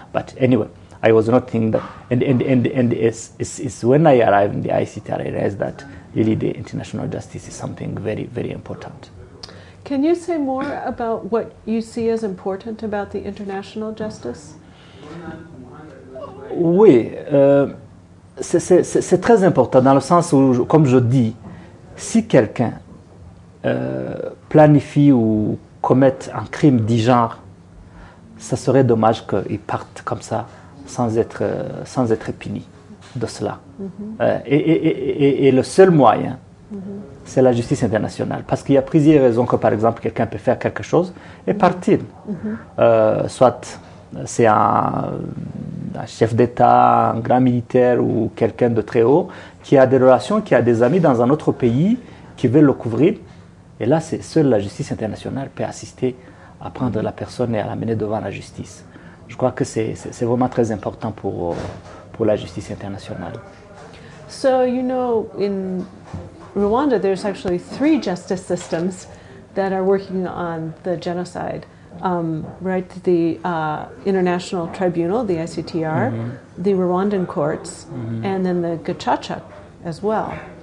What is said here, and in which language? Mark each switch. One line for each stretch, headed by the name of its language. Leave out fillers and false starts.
English: But anyway, I was not thinking that. And it's when I arrived in the ICTR, I realized that really the international justice is something very, very important. Can you say more about what you see as important about the international justice?
French: Oui, c'est très important dans le sens où, comme je dis, si quelqu'un planifie ou commette un crime du genre, ça serait dommage qu'il parte comme ça sans être puni de cela. Mm-hmm. Et le seul moyen, c'est la justice internationale. Parce qu'il y a plusieurs raisons que, par exemple, quelqu'un peut faire quelque chose et partir. Mm-hmm. Soit c'est un chef d'État, un grand militaire ou quelqu'un de très haut qui a des relations, qui a des amis dans un autre pays qui veulent le couvrir. Et là, c'est seule la justice internationale peut assister à prendre la personne et à l'amener devant la justice. Je crois que c'est vraiment très important pour la justice internationale.
English: So, you know, in Rwanda, there's actually three justice systems that are working on the genocide, right? The International Tribunal, the ICTR, mm-hmm. the Rwandan courts, mm-hmm. and then the Gacaca as well.